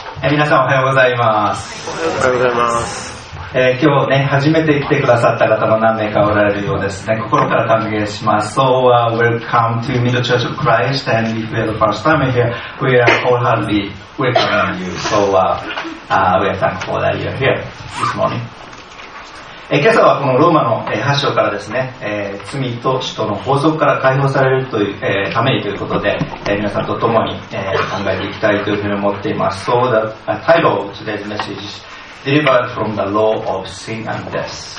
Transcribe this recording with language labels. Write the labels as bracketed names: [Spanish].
[Japanese] 皆さんおはようございます。おはようございます。今日ね、初めて来てくださった方も何名かおられるようですね。心から歓迎します。 [English] So welcome to Middle Church of Christ. And if you're the first time here, we are wholeheartedly welcoming you. So we are thankful that you are here this morning. [Japanese] 今朝はこのローマの8章からですね、罪と死との法則から解放されるという、ためにということで、皆さんと共に、考えていきたいというふうに思っています。 [English] So the title of today's message is Delivered from the Law of Sin and Death.